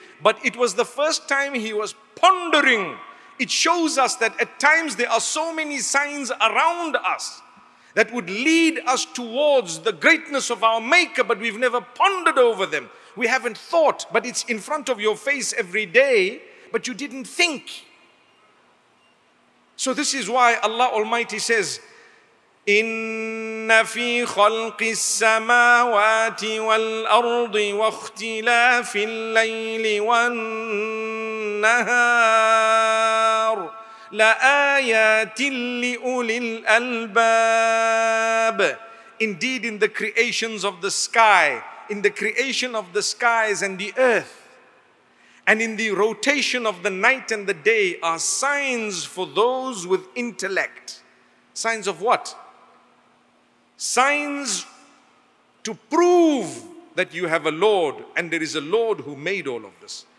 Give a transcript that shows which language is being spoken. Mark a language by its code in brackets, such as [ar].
[en] But it was the first time he was pondering. It shows us that at times there are so many signs around us that would lead us towards the greatness of our Maker, but we've never pondered over them. We haven't thought, but it's in front of your face every day, but you didn't think. [ar] So this is why Allah Almighty says, إِنَّ فِي خَلْقِ السَّمَاوَاتِ وَالْأَرْضِ وَاخْتِلَافِ اللَّيْلِ وَالنَّهَارِ لَآيَاتٍ لِأُولِي الْأَلْبَابِ. [en] Indeed, in the creations of the sky, in the creation of the skies and the earth, and in the rotation of the night and the day are signs for those with intellect. Signs of what? Signs to prove that you have a Lord, and there is a Lord who made all of this.